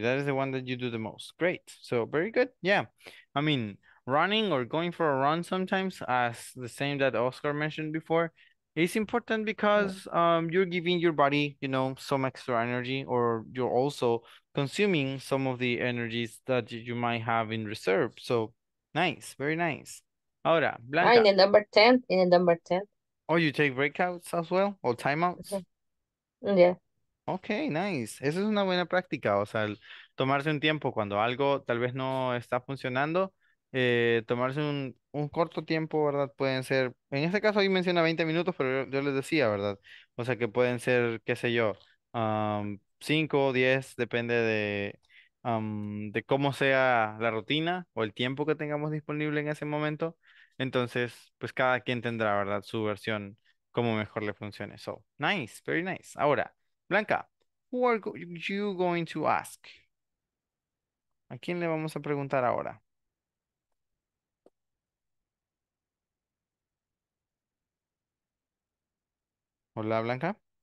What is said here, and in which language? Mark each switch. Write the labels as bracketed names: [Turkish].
[English] That is the one that you do the most. Great. So very good. Yeah. I mean, running or going for a run sometimes, as the same that Oscar mentioned before, it's important because you're giving your body, you know, some extra energy, or you're also consuming some of the energies that you might have in reserve. So nice, very nice. [Spanish] Ahora, [English] Blanca. In the number 10, in the number 10. Oh, you take breakouts as well, or timeouts? Yeah. Okay, nice. [Spanish] Esa es una buena práctica, o sea, tomarse un tiempo cuando algo tal vez no está funcionando. Tomarse un corto tiempo, ¿verdad? Pueden ser, en este caso ahí menciona 20 minutos, pero yo les decía, ¿verdad? O sea que pueden ser, qué sé yo, 5 o 10, depende de cómo sea la rutina o el tiempo que tengamos disponible en ese momento. Entonces, pues cada quien tendrá, ¿verdad?, su versión, como mejor le funcione. [English] So, nice, very nice. [Spanish] Ahora, [English] Blanca, who are you going to ask? [Spanish] ¿A quién le vamos a preguntar ahora? Hola, Blanca.